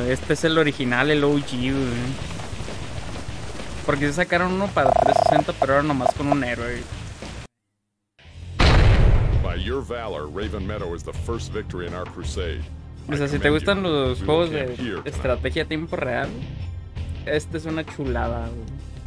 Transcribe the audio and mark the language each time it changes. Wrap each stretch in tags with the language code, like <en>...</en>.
<es>Este es el original, el OG, güey. Porque se sacaron uno para 360, pero era nomás con un héroe.</es> <en>By your valor, Raven Meadow is the first victory in our crusade.</en> <es>O sea, si te gustan los juegos de estrategia a tiempo real, este es una chulada, güey.</es>